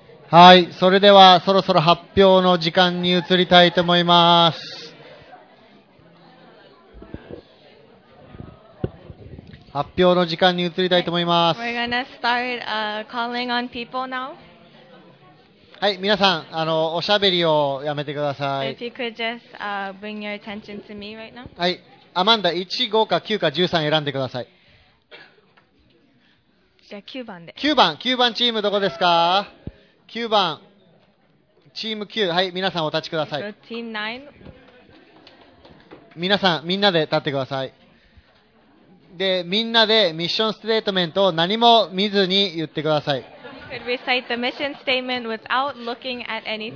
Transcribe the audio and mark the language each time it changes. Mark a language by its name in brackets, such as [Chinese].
[Japanese] はい、それではそろそろ発表の時間に移りたいと思います。発表の時間に移りたいと思います。 [English] We're gonna start, calling on people now. [Japanese] はい、皆さん、おしゃべりをやめてください。 [English] If you could just, bring your attention to me right now. [Japanese] はい、アマンダ、1、5か9か13選んでください。じゃあ9番で。 9番、9番チームどこですか ?9 番、チーム9、はい、皆さんお立ちください。 [English] So, team [Japanese] 9. 皆さん、みんなで立ってください。で、みんなでミッションステートメントを何も見ずに言ってください。 [English] You could recite the mission statement without looking at anything.